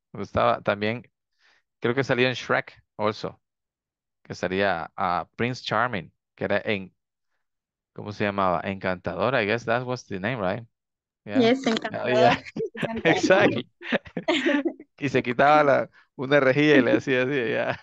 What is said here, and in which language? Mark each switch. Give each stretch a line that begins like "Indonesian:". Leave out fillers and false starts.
Spanish: Cuando estaba también, creo que salía en Shrek, also. Que salía Prince Charming, que era en, ¿cómo se llamaba?
English: Encantador, I guess that was the name, right? Yeah. Yes, Encantador. Yeah. Exactly.
Spanish: Y se quitaba la una rejilla y le hacía así, ya, yeah.